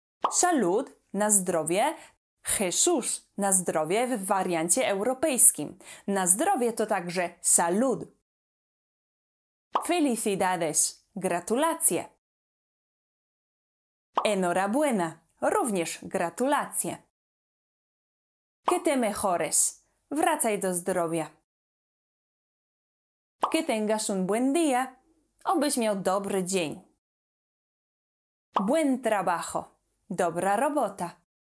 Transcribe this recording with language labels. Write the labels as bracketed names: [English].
[Spanish] Salud, [Polish] na zdrowie. [Spanish] Jesús, [Polish] na zdrowie w wariancie europejskim. Na zdrowie to także [Spanish] salud. Felicidades, [Polish] gratulacje. [Spanish] Enhorabuena, [Polish] również gratulacje. [Spanish] Que te mejores, [Polish] wracaj do zdrowia. [Spanish] Que tengas un buen día, [Polish] obyś miał dobry dzień. [Spanish] Buen trabajo, [Polish] dobra robota.